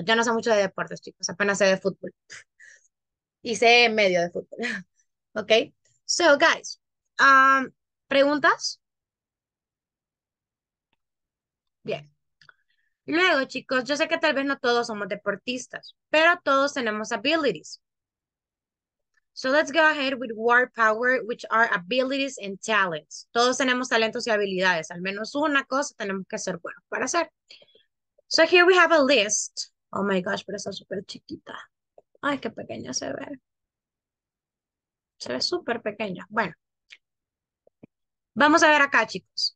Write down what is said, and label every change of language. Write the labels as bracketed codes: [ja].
[es] Yo no sé mucho de deportes, chicos, apenas sé de fútbol. Y sé medio de fútbol. [en] Ok, so guys, ¿preguntas? [es] Bien. Luego, chicos, yo sé que tal vez no todos somos deportistas, pero todos tenemos abilities. [en] So let's go ahead with war power, which are abilities and talents. [es] Todos tenemos talentos y habilidades, al menos una cosa tenemos que ser buenos para hacer. [en] So here we have a list. Oh my gosh, [es] pero está súper chiquita. Ay, qué pequeña se ve. Se ve súper pequeña. Bueno, vamos a ver acá, chicos.